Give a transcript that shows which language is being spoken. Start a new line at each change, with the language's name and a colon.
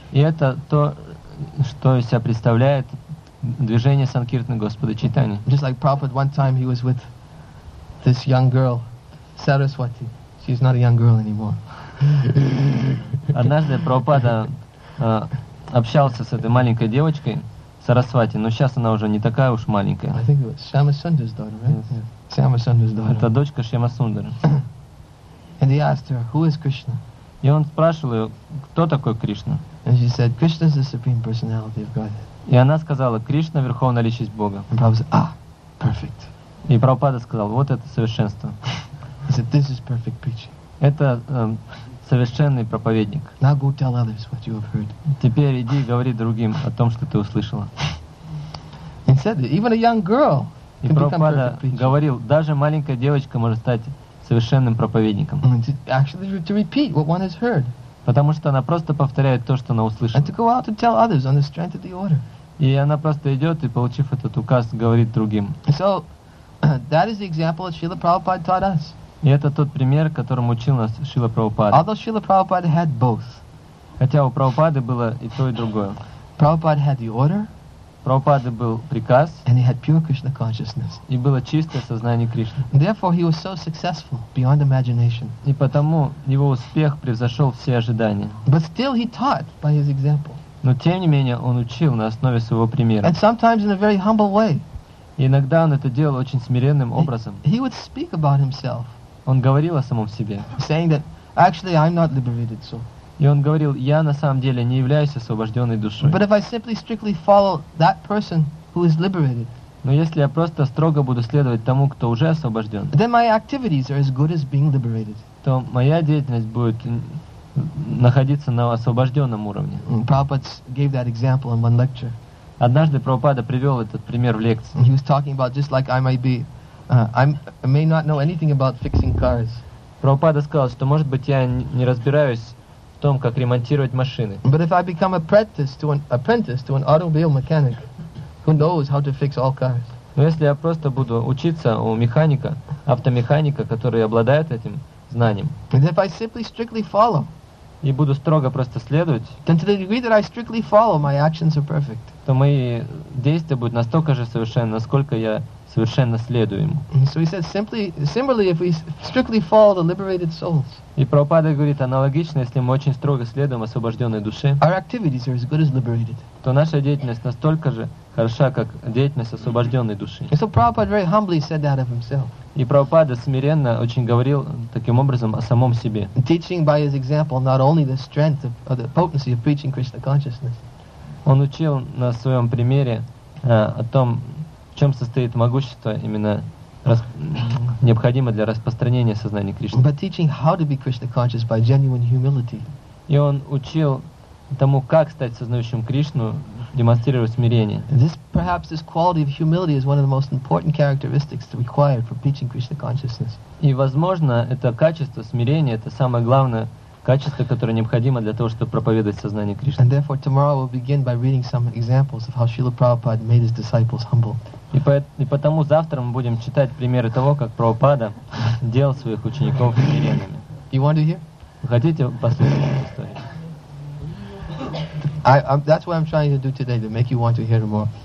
Russian: И это то, что из себя представляет движение Санкиртны Господа Чайтани.
English: Just like Prabhupada, one time he was with this young girl, Saraswati. She's not a young girl anymore.
Russian: Однажды Прабхупада общался с этой маленькой девочкой Сарасвати, но сейчас она уже не такая уж маленькая.
English: I think it was Shyama Sundar's daughter, right? Yes. Yeah. Shyama Sundar's daughter.
Russian: Это дочка Шьяма Сундара.
English: And he asked her, who is Krishna?
Russian: И он спрашивал ее, кто такой Кришна?
English: And she said, Krishna is the supreme personality of God.
Russian: И она сказала, Кришна — верховная личность Бога.
English: And Prabhupada said, ah, perfect.
Russian: И Прабхупада сказал, вот это совершенство.
English: He said, this is perfect preaching.
Russian: Это совершенный проповедник.
English: Now go tell others what you have heard.
Russian: Теперь иди и говори другим о том, что ты услышала.
English: He said that even a young girl can become perfect preacher.
Russian: И Прабхупада говорил, даже маленькая девочка может стать совершенным проповедником.
English: Actually, to repeat what one has heard.
Russian: Потому что она просто повторяет то, что она услышала.
English: And to go out and tell others on the strength of the order.
Russian: И она просто идет и, получив этот указ, говорит другим.
English: So, that is the example that Srila Prabhupada taught us.
Russian: И это тот пример, которым учил нас Шрила Прабхупада.
English: Although Srila Prabhupada had both.
Russian: Хотя у Прабхупады было и то, и другое.
English: Prabhupada had the order.
Russian: Прабхупада был приказ.
English: And he had pure Krishna consciousness.
Russian: И было чистое сознание Кришны.
English: Therefore he was so successful beyond imagination.
Russian: И потому его успех превзошел все ожидания.
English: But still he taught by his example.
Russian: Но тем не менее он учил на основе своего примера.
English: And sometimes in a very humble way.
Russian: И иногда он это делал очень смиренным образом.
English: He would speak about himself.
Russian: Он говорил о самом себе.
English: Saying that, actually, I'm not liberated soul.
Russian: И он говорил, я на самом деле не являюсь освобожденной душой.
English: But if I simply strictly follow that person who is liberated,
Russian: но если я просто строго буду следовать тому, кто уже освобожден,
English: then my activities are as good as being liberated.
Russian: То моя деятельность будет находиться на освобожденном уровне.
English: Prabhupada gave that example in one lecture.
Russian: Однажды Прабхупада привел этот пример в лекции.
English: He was talking about just like I might be, I may not know anything about fixing cars.
Russian: Прабхупада сказал, что может быть я не разбираюсь в том, как ремонтировать машины.
English: But if I become apprentice to an automobile mechanic, who knows how to fix all cars?
Russian: Но если я просто буду учиться у механика, автомеханика, который обладает этим знанием.
English: And if I simply strictly follow.
Russian: И буду строго просто следовать.
English: Then to the degree that I strictly follow, my actions are perfect.
Russian: То мои действия будут настолько же совершенны, насколько я совершенно следуем.
English: So he said, similarly, if we strictly follow the liberated souls.
Russian: И Прабхупада говорит, аналогично, если мы очень строго следуем освобожденной душе,
English: our activities are as good as liberated.
Russian: То наша деятельность настолько же хороша, как деятельность освобожденной души.
English: And so Prabhupada very humbly said that of himself.
Russian: И Прабхупада смиренно очень говорил таким образом о самом себе.
English: Teaching by his example not only the strength of, or the potency of preaching Krishna consciousness.
Russian: Он учил на своем примере о том, в чем состоит могущество, именно необходимо для распространения сознания Кришны.
English: But teaching how to be Krishna conscious by genuine humility.
Russian: И он учил тому, как стать сознающим Кришну, демонстрируя смирение.
English: This, perhaps this quality of humility is one of the most important characteristics required for preaching Krishna consciousness.
Russian: И, возможно, это качество смирения, это самое главное качество, которое необходимо для того, чтобы проповедовать сознание Кришны.
English: And therefore, tomorrow we'll begin by reading some examples of how Srila Prabhupada made his disciples humble.
Russian: И потому завтра мы будем читать примеры того, как Прабхупада делал своих учеников смиренными.
English: You want to hear?
Russian: Хотите послушать эту историю?
English: That's what I'm trying to do today, to make you want to hear more.